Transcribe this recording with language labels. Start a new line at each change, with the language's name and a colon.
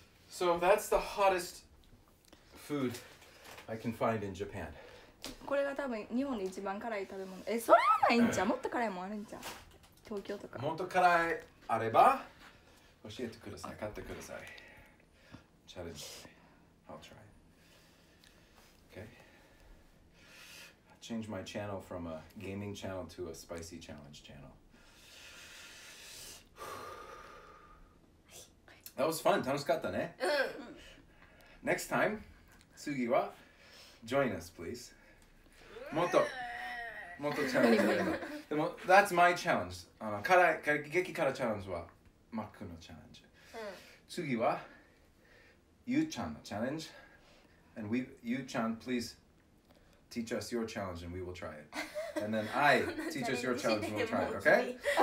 English: So that's the hottest food I can find in Japan.
Japanese: これが多分日本で一番辛い食べ物。え、それはないんじゃ。もっと辛いもんあるんじゃ。東京とか。もっと辛いあれば教えてください。買ってください。チャレンジ。
English: I'll try. Change my channel from a gaming channel to a spicy challenge channel. That was fun.
Japanese: 楽しかったね。うん。
English: Next time,
Japanese: 次は
English: join us, please.
Japanese: もっと、もっとチャレンジするの。でも、
English: that's my challenge.
Japanese: 辛い、激辛チャレンジはマックのチャレンジ。うん。次はゆーちゃんのチャレンジ。
English: And we, ゆーちゃん, please. Teach us your challenge and we will try it. And then I teach us your challenge and we'll try it, okay?